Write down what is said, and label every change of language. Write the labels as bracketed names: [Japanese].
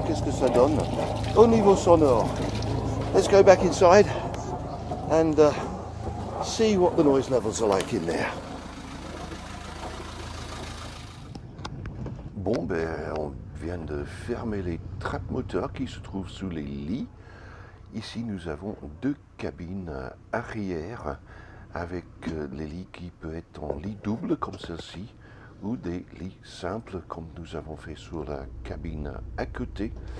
[French] Qu'est-ce que ça donne au niveau sonore? [English] Let's go back inside and see what the noise levels are like in there. [French] Bon, ben, on vient de fermer les trappes moteurs qui se trouvent sous les lits. Ici, nous avons deux cabines arrière avec les lits qui peuvent être en lit double comme celle-ci ou des lits simples comme nous avons fait sur la cabine à côté.